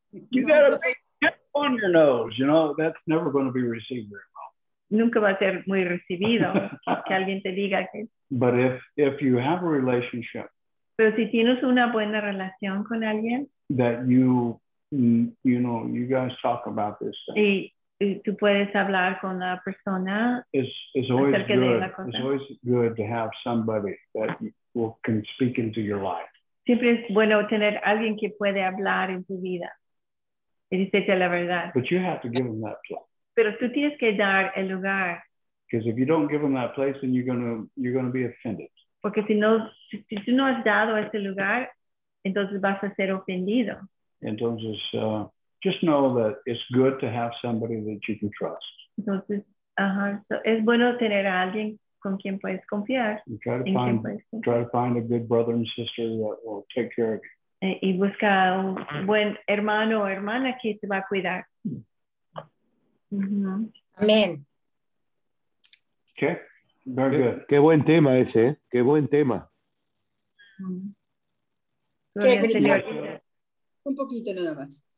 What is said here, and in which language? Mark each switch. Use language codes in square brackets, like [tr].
[en] You got a big tip on your nose, you know, that's never going to be received very well. [es] Nunca va a ser muy recibido que alguien te diga que. [en] But if you have a relationship. [es] Pero si tienes una buena relación con alguien. [en] That you know, you guys talk about this thing. [es] Y tú puedes hablar con la persona. [en] It's always good. It's always good to have somebody that can speak into your life. [es] Siempre es bueno tener alguien que puede hablar en tu vida. Y decirte la verdad. [en] But you have to give them that place. [es] Pero tú tienes que dar el lugar. [en] Because if you don't give them that place, then you're gonna be offended. [es] Porque si tú no has dado ese lugar, entonces vas a ser ofendido. [en] Entonces, just know that it's good to have somebody that you can trust. [es] Entonces, es bueno tener a alguien con quien puedes confiar. [en] Try to find a good brother and sister that will take care of you. [es] Y busca un buen hermano o hermana que te va a cuidar. Amén. [en] Okay. Very good. [es] Qué buen tema ese, ¿eh? Qué buen tema. Un poquito nada más.